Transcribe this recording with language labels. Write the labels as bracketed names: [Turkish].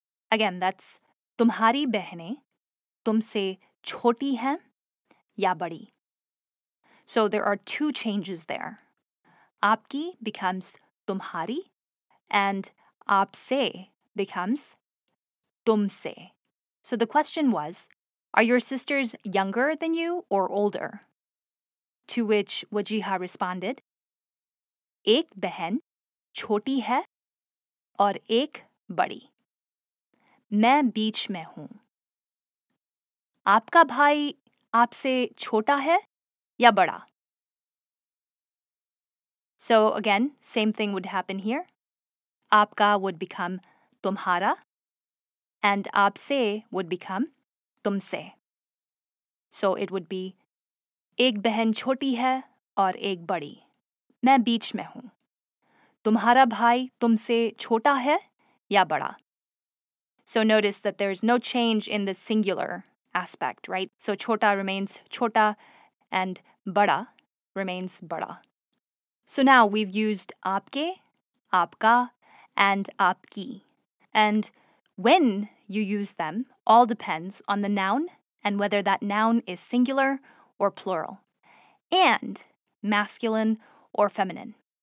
[English] Again, that's [Hindi] तुम्हारी बहनें तुमसे छोटी हैं या बड़ी? [English] So there are two changes there. [Hindi] आपकी becomes तुम्हारी and आपसे becomes तुमसे. [English] So the question was, are your sisters younger than you or older? To which Wajiha responded, [Hindi] एक बहन छोटी है और एक बड़ी. मैं बीच में हूँ. आपका भाई आपसे छोटा है या बड़ा? [English] So again, same thing would happen here. आपका would become तुम्हारा and आपसे would become तुमसे. So it would be [Hindi] एक बहन छोटी है और एक बड़ी. मैं बीच में हूँ. तुम्हारा भाई तुमसे छोटा है या बड़ा? [English] So notice that there's no change in the singular aspect, right? So chota remains chota and bada remains bada. So now we've used aapke, aapka, and aapki. And when you use them all depends on the noun and whether that noun is singular or plural, and masculine or feminine.